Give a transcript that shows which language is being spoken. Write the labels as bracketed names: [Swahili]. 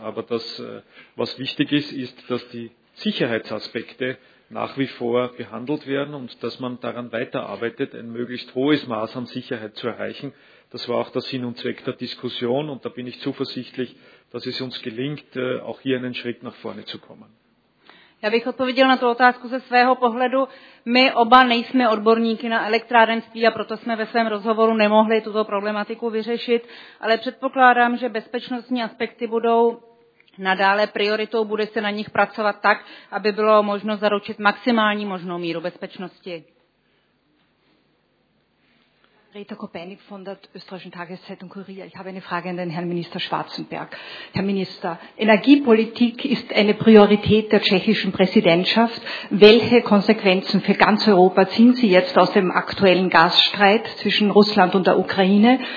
[German] Aber das, was wichtig ist, ist, dass die Sicherheitsaspekte nach wie vor behandelt werden und dass man daran weiterarbeitet, ein möglichst hohes Maß an Sicherheit zu erreichen. Das war auch der Sinn und Zweck der Diskussion und da bin ich zuversichtlich, dass es uns gelingt, auch hier einen Schritt nach vorne zu kommen. [Czech] Já bych odpověděla na tu otázku ze svého pohledu. My oba nejsme odborníky na elektrárenství a proto jsme ve svém rozhovoru nemohli tuto problematiku vyřešit, ale předpokládám, že bezpečnostní aspekty budou nadále prioritou, bude se na nich pracovat tak, aby bylo možno zaručit maximální možnou míru bezpečnosti. [German] Greta Kopenick von der österreichischen Tageszeitung Kurier. Ich habe eine Frage an den Herrn Minister Schwarzenberg. Herr Minister, Energiepolitik ist eine Priorität der tschechischen Präsidentschaft. Welche Konsequenzen für ganz Europa ziehen Sie jetzt aus dem aktuellen Gasstreit zwischen Russland und der Ukraine?